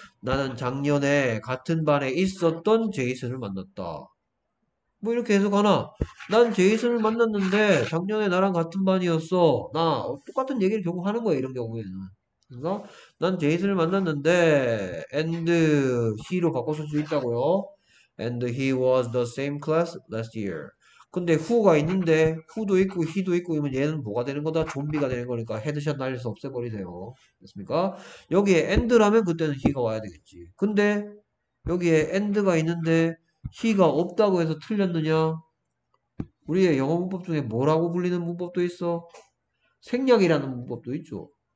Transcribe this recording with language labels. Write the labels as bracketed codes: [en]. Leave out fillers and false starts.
[ko] 나는 작년에 같은 반에 있었던 제이슨을 만났다. 뭐 이렇게 해석하나? 난 제이슨을 만났는데 작년에 나랑 같은 반이었어. 나 똑같은 얘기를 계속 하는 거야 이런 경우에는. 그래서 난 제이슨을 만났는데 and he 로 바꿔 쓸수 있다고요. [en] And he was the same class last year. [ko] 근데 who가 있는데 who도 있고 he도 있고 이러면 얘는 뭐가 되는 거다? 좀비가 되는 거니까 헤드샷 날려서 없애버리세요. 됐습니까? 여기에 and라면 그때는 he가 와야 되겠지. 근데 여기에 and가 있는데 he가 없다고 해서 틀렸느냐? 우리의 영어 문법 중에 뭐라고 불리는 문법도 있어? 생략이라는 문법도 있죠.